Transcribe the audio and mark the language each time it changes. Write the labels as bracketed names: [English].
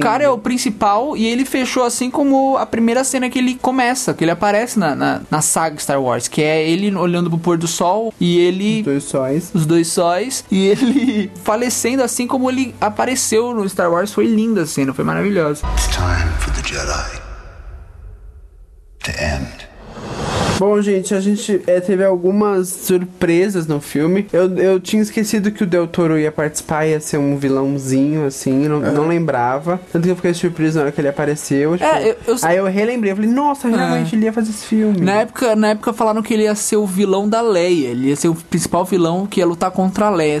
[Portuguese] Cara é o principal e ele fechou assim como a primeira cena que ele começa, que ele aparece na saga Star Wars, que é ele olhando pro pôr do sol e ele... Os dois sóis. E ele falecendo assim como ele apareceu no Star Wars. Foi linda a cena, foi maravilhosa. [English] It's time for the Jedi to end. [Portuguese] Bom, gente, a gente teve algumas surpresas no filme. Eu tinha esquecido que o Del Toro ia participar, ia ser um vilãozinho, assim, não lembrava. Tanto que eu fiquei surpreso na hora que ele apareceu. Tipo, aí eu relembrei, eu falei, nossa, realmente ele ia fazer esse filme. Na época falaram que ele ia ser o vilão da Leia, ele ia ser o principal vilão que ia lutar contra a Leia.